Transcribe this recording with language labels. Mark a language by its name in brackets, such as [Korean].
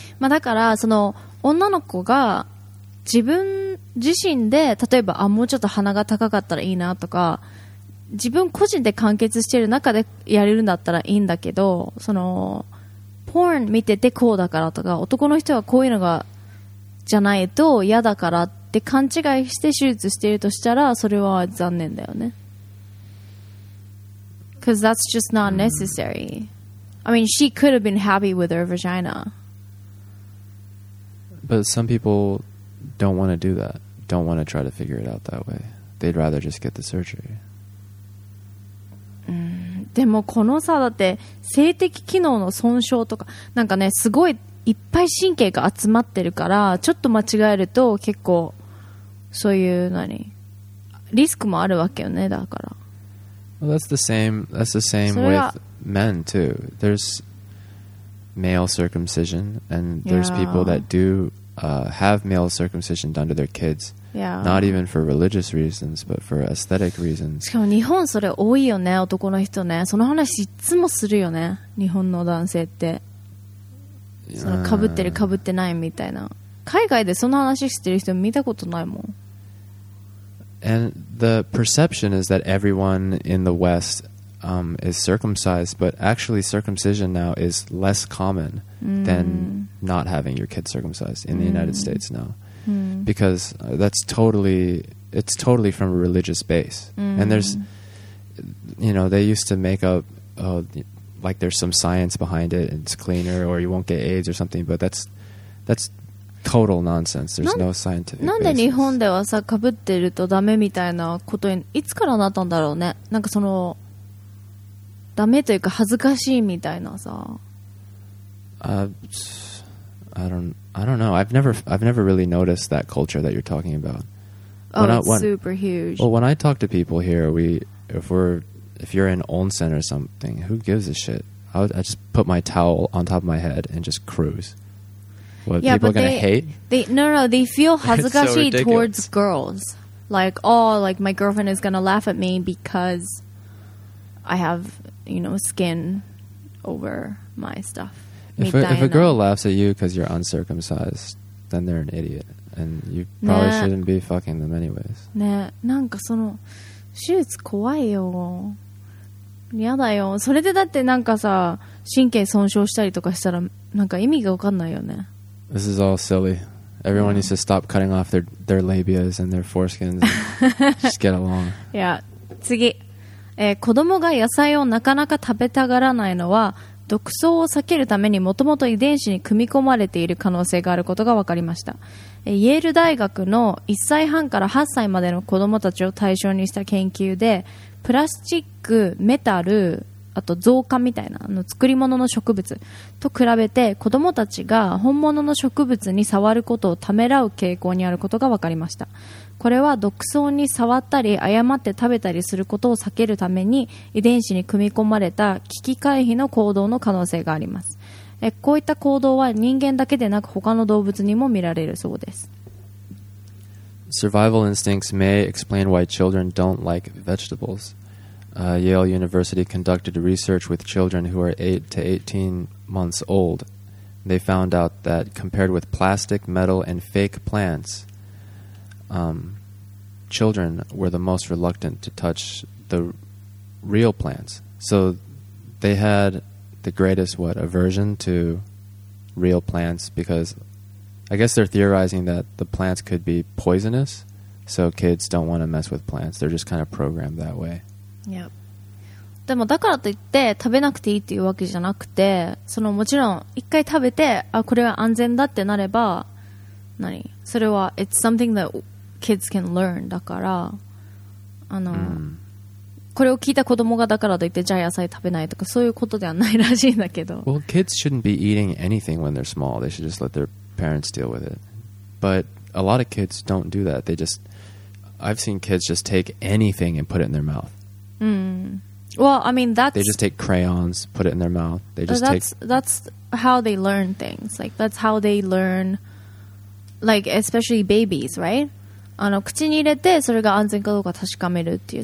[Japanese] まあだからその女の子が自分自身で例えばあもうちょっと鼻が高かったらいいなとか自分個人で完結してる中でやれるんだったらいいんだけどそのポーン見ててこうだからとか男の人はこういうのがじゃないと嫌だからって勘違いして手術してるとしたらそれは残念だよね。 [English] Because that's just not necessary. I mean, she could have been happy with her vagina. But some people don't want to do that. Don't want to try to figure it out that way. They'd rather just get the surgery. [Japanese] でもこのさだって性的機能の損傷とかなんかねすごいいっぱい神経が集まってるからちょっと間違えると結構そういう何リスクもあるわけよねだから。 [English] Well, that's the same. That's the same with men too. There's male circumcision, and there's people that do have male circumcision done to their kids. Yeah. Not even for religious reasons, but for aesthetic reasons. [Japanese] しかも日本それ多いよね、男の人ね。その話いつもするよね、日本の男性って。そのかぶってるかぶってないみたいな。海外でその話してる人見たことないもん。 [English] And the perception is that everyone in the West is circumcised, but actually circumcision now is less common than not having your kid circumcised in the United States now. Because that's totally, it's totally from a religious base. And there's, you know, they used to make up, like there's some science behind it and it's cleaner or you won't get AIDS or something, but that's... Total nonsense. There's no scientific basis. [Japanese] なんで日本ではさ、かぶってるとダメみたいなことに、いつからなったんだろうね。なんかその、ダメというか恥ずかしいみたいなさ。 [English] I don't know. I've never really noticed that culture that you're talking about. Super huge. Well, when I talk to people here, if you're in onsen or something, who gives a shit? I just put my towel on top of my head and just cruise. What, yeah, people but are going to hate? No, they feel 恥ずかしい towards girls. Like, like my girlfriend is going to laugh at me because I have, you know, skin over my stuff. If a girl laughs at you because you're uncircumcised, then they're an idiot. And you probably shouldn't be fucking them anyways. [Japanese] Yeah, なんかその手術怖いよ。やだよ。それでだってなんかさ、神経損傷したりとかしたらなんか意味がわかんないよね。 [English] This is all silly. Everyone needs to stop cutting off their labias and their foreskins. And just get along. Yeah. [Japanese] 次、子供が野菜をなかなか食べたがらないのは毒素を避けるためにもともと遺伝子に組み込まれている可能性があることが分かりました。イェール大学の1歳半から8歳までの子供たちを対象にした研究でプラスチック、メタル、あと増加みたいなあの作り物の植物と比べて子供たちが本物の植物に触ることをためらう傾向にあることが分かりました。これは毒草に触ったり誤って食べたりすることを避けるために遺伝子に組み込まれた危機回避の行動の可能性があります。こういった行動は人間だけでなく他の動物にも見られるそうです。 [English] Survival instincts may explain why children don't like vegetables. Yale University conducted research with children who are 8 to 18 months old. They found out that compared with plastic, metal and fake plants, children were the most reluctant to touch the real plants. So they had the greatest, what, aversion to real plants, because I guess they're theorizing that the plants could be poisonous, so kids don't want to mess with plants. They're just kind of programmed that way. Yep. [Japanese] でもだからといって食べなくていいっていうわけじゃなくて、そのもちろん一回食べて、あ、これは安全だってなれば、何？それは [English] it's something that kids can learn [Japanese] だから、これを聞いた子供がだからといってじゃあ野菜食べないとかそういうことではないらしいんだけど。 [English] Well, kids shouldn't be eating anything when they're small. They should just let their parents deal with it. But a lot of kids don't do that. They just, I've seen kids just take anything and put it in their mouth. Well, I mean, that's... They just take crayons, put it in their mouth. They just take... That's how they learn things. Like, that's how they learn, like, especially babies, right? [Japanese] 口に入れてそれが安全かどうか確かめるっていう。